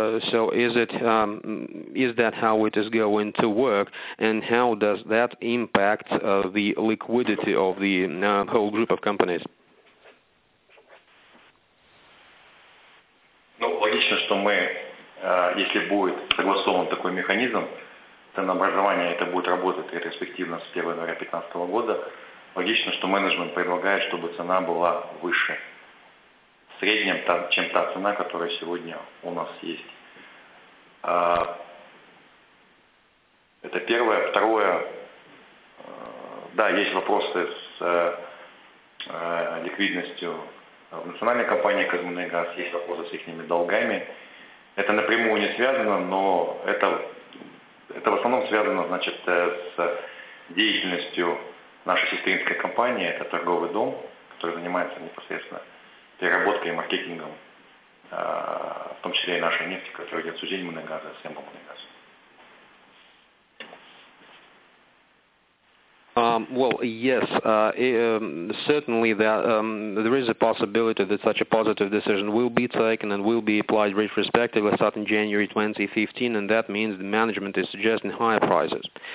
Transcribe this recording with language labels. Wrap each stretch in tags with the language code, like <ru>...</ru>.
<en>So is it is that how it is going to work, and how does that impact the liquidity of the whole group of companies?</en> <ru>Ну, логично, что мы, если будет согласован такой механизм ценообразования, это будет работать ретроспективно с 1 января 2015 года, логично, что менеджмент предлагает, чтобы цена была выше в среднем, чем та цена, которая сегодня у нас есть. Это первое. Второе, да, есть вопросы с ликвидностью. В национальной компании «Казмунайгаз» есть вопросы с их долгами. Это напрямую не связано, но это в основном связано, значит, с деятельностью нашей сестринской компании. Это торговый дом, который занимается непосредственно переработкой и маркетингом, в том числе и нашей нефти, которая идет с «Узеньмунайгаза» и с «Эмбомунайгаза».</ru> <en>Well, yes, certainly there is a possibility that such a positive decision will be taken and will be applied retrospectively starting January 2015, and that means the management is suggesting higher prices.</en>